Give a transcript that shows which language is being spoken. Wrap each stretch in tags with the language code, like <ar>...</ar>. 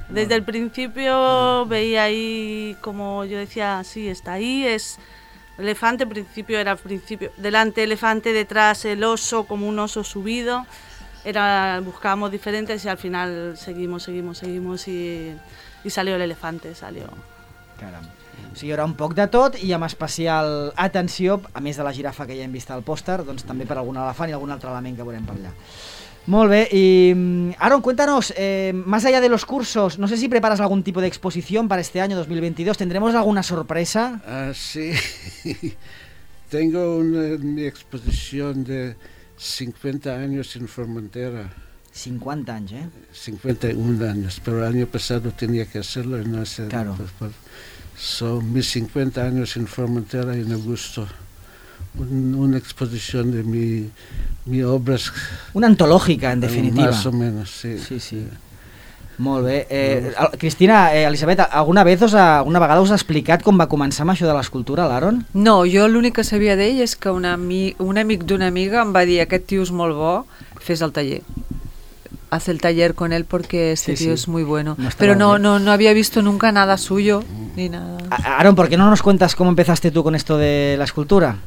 <es>Desde el principio veía ahí, como yo decía, sí, está ahí, es... elefante, en principio era principio, delante elefante, detrás el oso, como un oso subido, era, buscábamos diferentes y al final seguimos y salió el elefante, salió.</es> <ca>Caram. O sigui, hi haurà un poc de tot i amb especial atenció, a més de la girafa que ja hem vist al pòster, doncs també per algun elefant i algun altre element que veurem per allà. Molt bé,</ca> <es>y Aaron, cuéntanos, más allá de los cursos, no sé si preparas algún tipo de exposición para este año 2022, ¿tendremos alguna sorpresa? Sí, tengo una, mi exposición de 50 años en Formentera. 50 años, ¿eh? 51 años, pero el año pasado tenía que hacerlo y no hacer. Claro. Son mis 50 años en Formentera en agosto. Una exposición de mi obra. Una antológica, en definitiva. Más o menos, sí.</es> <ca>Sí, sí. Molt bé. Cristina, Elisabet,</ca> <es>alguna vez</es> <ca>alguna vegada us ha explicat com va començar amb això de l'escultura, l'Aaron? No, jo l'únic que sabia d'ell és que un amic d'una amiga em va dir, aquest tio és molt bo, fes el taller.</ca> <es>Haz el taller con él porque este tío es muy bueno. Pero no había visto nunca nada suyo, ni nada. Aaron, ¿por qué no nos cuentas cómo empezaste tú con esto de la escultura?</es>